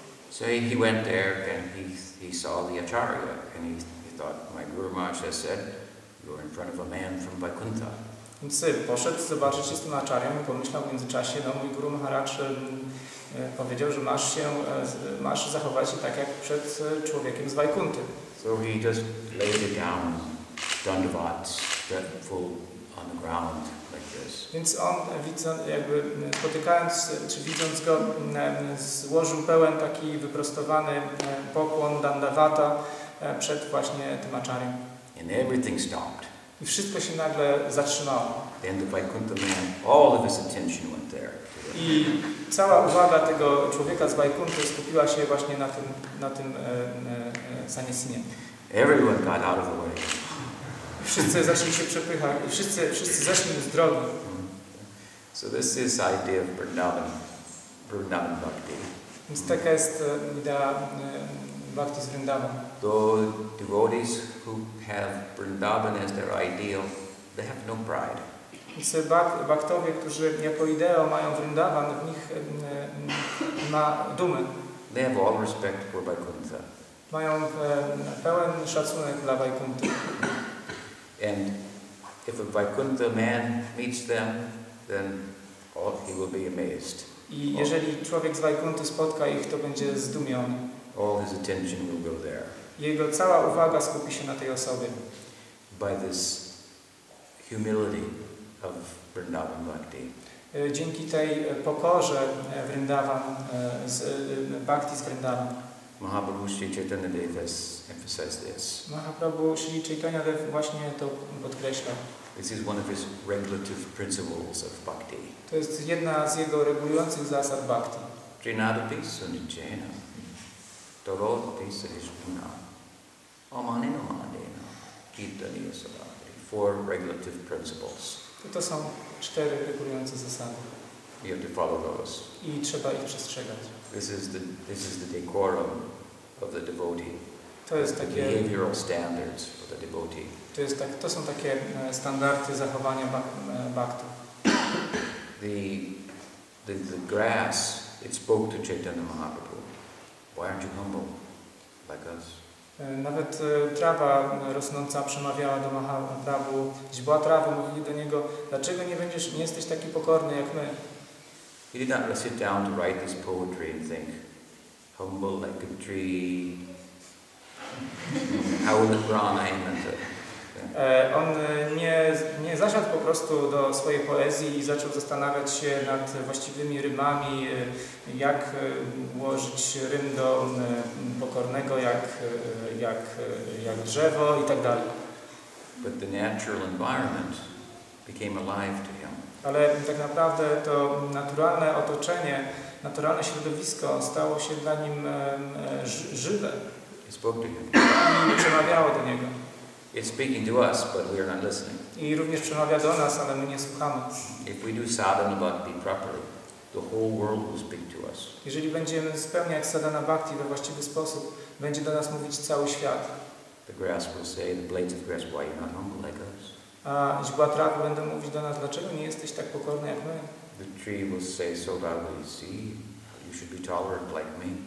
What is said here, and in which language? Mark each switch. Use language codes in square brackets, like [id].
[en] So he went there and he saw the acharya and he thought, my Guru Maharaj has said, you're in front of a man from Vaikuntha. [pl] Więc poszedł zobaczyć się z tym acharyą i pomyślał w międzyczasie, no mój Guru Maharaj powiedział, że masz zachować się tak jak przed człowiekiem z Vaikunty. [en] So he just laid it down, dandavat, full on the ground. [pl] Więc on, jakby spotykając, czy widząc go, złożył pełen taki wyprostowany pokłon dandavata przed właśnie tym acharyą. [en] And everything stopped. [pl] I wszystko się nagle zatrzymało. [en] Then the Vaikuntha man, all of his attention went there. [pl] I cała uwaga tego człowieka z Vaikunty skupiła się właśnie na tym sannyasinie. [en] Everyone got out of the way. [pl] Wszyscy zaczęli się przepychać, wszyscy zeszli z drogi. [en] So this is idea of Vrindavan, Vrindavan Bhakti. [pl] Więc taka jest idea Bhakti z Vrindavan. [en] The devotees who have Vrindavan as their ideal, they have no pride. [pl] Więc bhaktowie, którzy jako ideo mają Vrindavan, w nich ma dumę. [en] They have all respect for Vaikuntha. [pl] Mają pełen szacunek dla Vaikunty. [en] And if a Vaikuntha man meets them, then all, he will be amazed. [pl] I jeżeli człowiek z Vaikunty spotka ich, to będzie zdumiony. [en] All his attention will go there. [pl] Jego cała uwaga skupi się na tej osobie. [en] By this humility of Vrindavan Bhakti. [pl] Dzięki tej pokorze Vrindavan, Bhakti z Vrindavan. [en] Mahaprabhu Śrī Caitanya Dev has emphasized this. [pl] Mahaprabhu Śrī Caitanya Dev właśnie to podkreśla. [en] This is one of his regulative principles of bhakti. [pl] To jest jedna z jego regulujących zasad bhakti. [sa] Trinadapi sunicena, torodapi sahishpuna, omanino manadena, kitaniya sabhadri. [en] Four regulative principles. [pl] To są cztery regulujące zasady. [en] You have to follow those. [pl] I trzeba ich przestrzegać. [en] This is the decorum of the devotee. [pl] To jest takie [en] behavioral standards for the devotee. [pl] To są takie standardy zachowania bhakti. [en] The grass, it spoke to Chaitanya Mahaprabhu. Why aren't you humble like us? [pl] Nawet trawa rosnąca przemawiała do Mahaprabhu. Źbła trawy mówiły do niego, dlaczego nie jesteś taki pokorny jak my? [en] He did not sit down to write this poetry and think, humble like a tree, how the prana in it. [pl] On nie zasiadł po prostu do swojej poezji i zaczął zastanawiać się nad właściwymi rymami, jak ułożyć rym do pokornego, jak drzewo i tak dalej. [en] But the natural environment became alive to him. [pl] Ale tak naprawdę to naturalne otoczenie, naturalne środowisko stało się dla nim żywe. [en] It spoke to him. [pl] I przemawiało do niego. [en] It's speaking to us, but we are not listening. [pl] I również przemawia do nas, ale my nie słuchamy. [en] If we do sadhana bhakti properly, the whole world will speak to us. [pl] Jeżeli będziemy spełniać sadhana bhakti we właściwy sposób, będzie do nas mówić cały świat. [en] The grass will say, the blades of grass, why are you not humble like us? [pl] A źbła trawy będą mówić do nas, dlaczego nie jesteś tak pokorny jak my? [en] The tree will say so loudly, see, you should be tolerant like me.